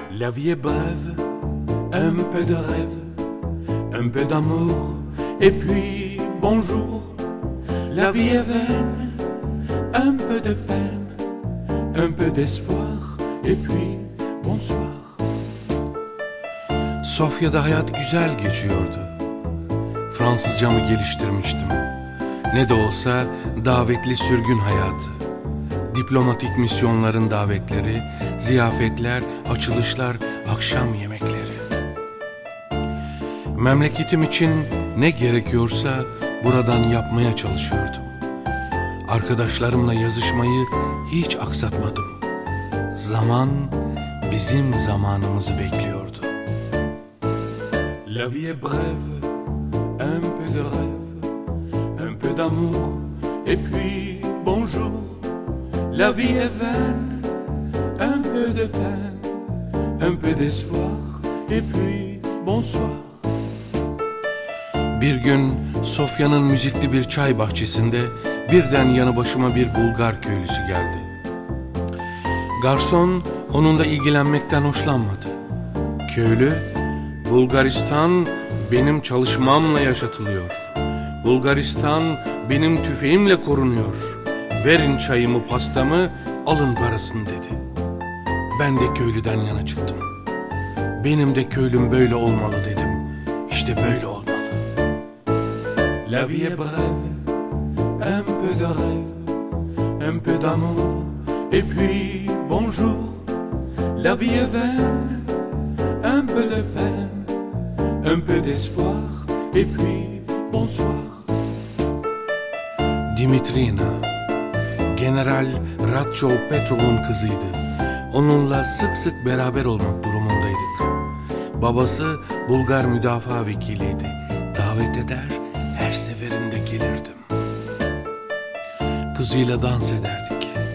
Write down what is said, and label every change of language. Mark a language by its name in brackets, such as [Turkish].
[French] vie est brève, un peu de rêve, un peu d'amour, et puis bonjour. La vie est vaine, un peu de peine, un peu d'espoir, et puis bonsoir. [Turkish] Sofya'da hayat güzel geçiyordu. Fransızcamı geliştirmiştim. Ne de olsa davetli sürgün hayatı. Diplomatik misyonların davetleri, ziyafetler, açılışlar, akşam yemekleri. Memleketim için ne gerekiyorsa buradan yapmaya çalışıyordum. Arkadaşlarımla yazışmayı hiç aksatmadım. Zaman bizim zamanımızı bekliyordu. [French] La vie est brève, un peu de rêve, un peu d'amour, et puis bonjour. La vie est vaine, un peu de peine, un peu d'espoir, et puis bonsoir. [Turkish] Bir gün Sofya'nın müzikli bir çay bahçesinde birden yanı başıma bir Bulgar köylüsü geldi. Garson onunla ilgilenmekten hoşlanmadı. Köylü, Bulgaristan benim çalışmamla yaşatılıyor. Bulgaristan benim tüfeğimle korunuyor. Verin çayımı, pastamı, alın parasını dedi. Ben de köylüden yana çıktım. Benim de köylüm böyle olmalı dedim. İşte böyle olmalı. [French] La vie est brève, un peu de rêve, un peu d'amour, et puis bonjour. La vie est vaine, un peu de peine, un peu d'espoir, et puis bonsoir. [Turkish] Dimitrina, General Radcho Petrov'un kızıydı. Onunla sık sık beraber olmak durumundaydık. Babası Bulgar müdafaa vekiliydi. Davet eder, her seferinde gelirdim. Kızıyla dans ederdik.